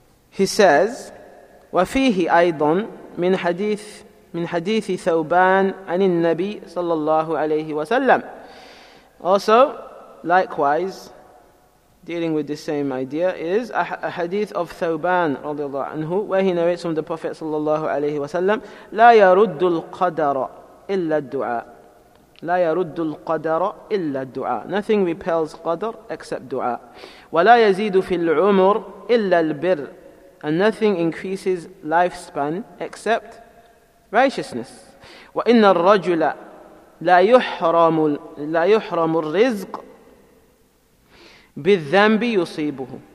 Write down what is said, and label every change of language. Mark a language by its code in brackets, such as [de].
[en] He says, [ar] وفيه أيضا من حديث ثوبان عن النبي صلى الله عليه وسلم. [en] Also, likewise, dealing with the same idea, is a hadith of ثوبان رضي الله عنه, where he narrates from the Prophet صلى الله عليه وسلم, [ar] لا يرد القدر إلا الدعاء. لا يرد القدر إلا الدعاء. [en] Nothing repels قدر except دعاء. [ar] ولا يزيد في العمر إلا البر. [en] And nothing increases lifespan except righteousness. [ar] وإن الرجل لا يحرم الرزق بالذنب يصيبه.